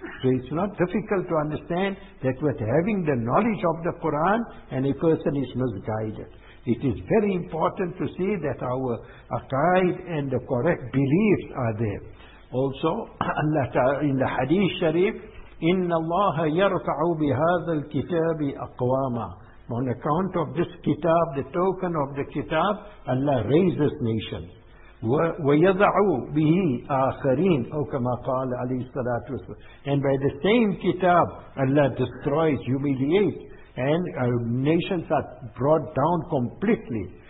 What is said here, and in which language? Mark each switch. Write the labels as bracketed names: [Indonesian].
[English] So it's not difficult to understand that with having the knowledge of the Quran, and a person is misguided. It is very important to see that our aqaid and the correct beliefs are there. Also, Allah Ta'ala, in the Hadith Sharif, [Arabic] إن الله يرفع بهذا الكتاب أقواما. [English] On account of this kitab, the token of the kitab, Allah raises nations. [Arabic] وَيَضَعُوا بِهِ آخَرِينَ أو كما قال عليه الصلاة والسلام. [English] And by the same kitab, Allah destroys, humiliates, and nations are brought down completely.